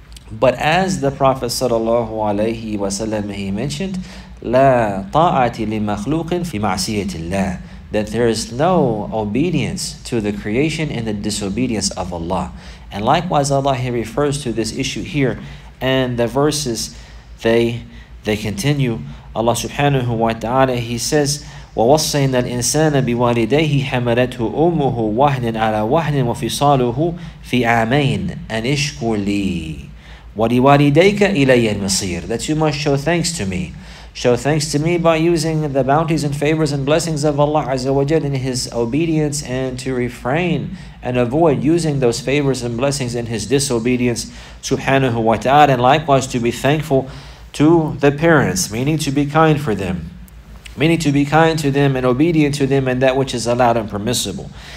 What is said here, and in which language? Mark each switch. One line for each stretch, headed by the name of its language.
English: But as the Prophet sallallahu alayhi wa sallam, he mentioned,
Arabic: لَا طَاعَةِ لِمَخْلُوقٍ فِي مَعْسِيَةِ اللَّهِ,
English: that there is no obedience to the creation in the disobedience of Allah. And likewise, Allah, he refers to this issue here, and the verses, they continue. Allah subhanahu wa ta'ala, he says,
Arabic: وَوَصَّيْنَا الْإِنسَانَ بِوَالِدَيْهِ حَمَلَتْهُ أُمُّهُ وَهْنٍ عَلَى وَهْنٍ وَفِصَالُهُ فِي عَامَيْنِ أَنْ اشْكُرْ لِي وَلِوَالِدَيْكَ إِلَيَّ الْمَصِيرُ,
English: that you must show thanks to me. Show thanks to me by using the bounties and favors and blessings of Allah Azza wa Jal in His obedience, and to refrain and avoid using those favors and blessings in His disobedience, subhanahu wa ta'ala. And likewise, to be thankful to the parents, meaning to be kind for them, meaning to be kind to them and obedient to them in that which is allowed and permissible.